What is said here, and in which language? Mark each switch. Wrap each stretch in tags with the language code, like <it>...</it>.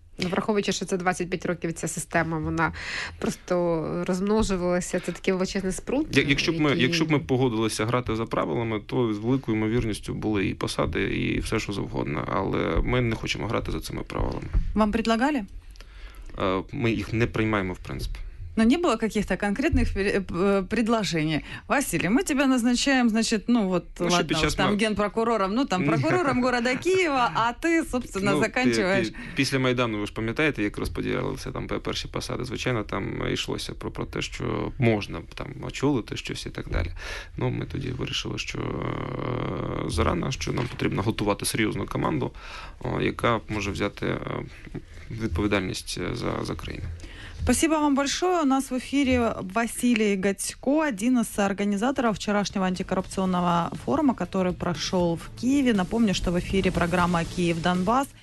<uk>Враховуючи, що це 25 років ця система, вона просто розмножувалася, це такий величезний спрут. Якщо б ми погодилися грати за правилами, то з великою ймовірністю були і посади, і все, що завгодно. Але ми не хочемо грати за цими правилами.</uk> <ru>Вам предлагали?</ru> <uk>Ми їх не приймаємо, в принципі.</uk> <ru>Но не было каких-то конкретных предложений. Василий, мы тебя назначаем, значит, ну вот, ну, ладно, уж, там генпрокурором, ну там прокурором города Киева, а ты, собственно, заканчиваешь. После Майдану, вы же помните, как распределялся там первые посады,</ru> <uk>звичайно, там йшлося про те, що можна там очолити щось і так далі. Ну, ми тоді вирішили, що зарано, що нам потрібно готувати серйозну команду, яка може взяти відповідальність за країну.</uk> <ru>Спасибо вам большое. У нас в эфире Василий Гатько, один из организаторов вчерашнего антикоррупционного форума, который прошел в Киеве. Напомню, что в эфире программа «Киев-Донбасс».</ru>